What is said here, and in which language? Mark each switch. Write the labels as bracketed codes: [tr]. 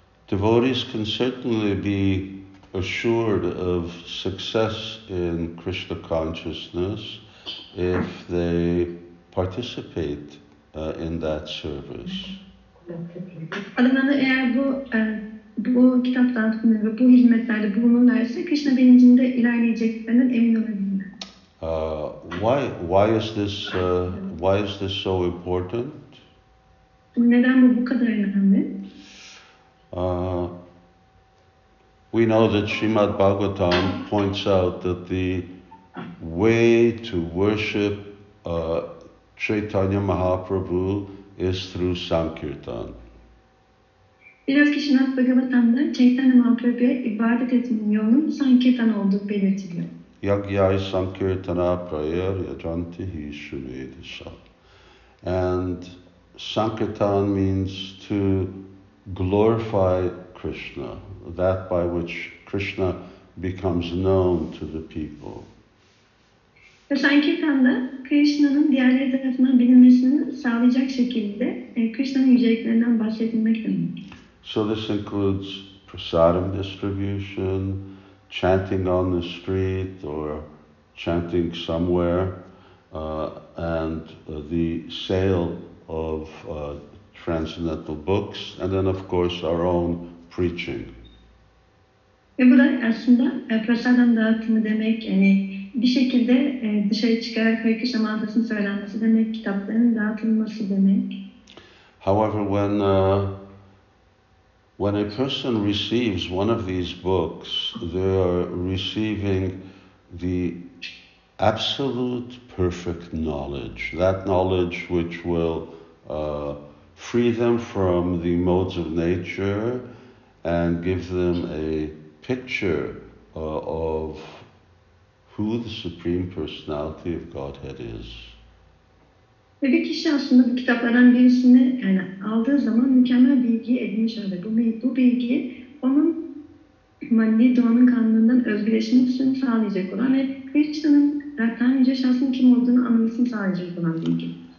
[en] Devotees can certainly be assured of success in Krishna consciousness if they participate in that service. [tr] Adamlar eğer bu kitap dağıtımında ve bu hizmetlerde bulunurlarsa Krishna bilincinde ilerleyeceklerinden emin olabilirler. [en] Why is this so important? [tr] Neden bu kadar önemli? [en] We know that Srimad Bhagavatam points out that the way to worship Chaitanya Mahaprabhu is through saṅkīrtana. [tr] Biraz ki Srimad Bhagavatam'da Chaitanya Mahaprabhu'ya ibadet etmenin yolunun saṅkīrtana olduğu belirtiliyor. [sa] Yagyai saṅkīrtana prayer yajanti hi śrīvedisa. [en] And saṅkīrtana means to glorify Krishna, that by which Krishna becomes known to the people. [tr] Saṅkīrtana'da Krishna'nın diğerleri tarafından bilinmesini sağlayacak şekilde Krishna'nın yüceliklerinden bahsedilmek demek. [en] So this includes prasadam distribution, chanting on the street or chanting somewhere, and the sale of transcendental books, and then of course our own preaching. [tr] Ve bu da aslında prasadam dağıtımı demek, yani bir şekilde dışarı çıkarak Hare Krishna mantrasının söylenmesi demek, kitapların dağıtılması demek. [en] However, when a person receives one of these books, they are receiving the absolute perfect knowledge, that knowledge which will free them from the modes of nature and give them a picture of who the Supreme Personality of Godhead is. [tr] Bir kişi aslında bu kitaplardan birisini yani aldığı zaman mükemmel bilgi edinmiş oluyor. Bu bilgi onun maddi doğanın kanunundan özgürleşmesini sağlayacak olan ve Krishna'nın zaten yüce şahsının kim olduğunu anlamasını sağlayacak olan bilgi.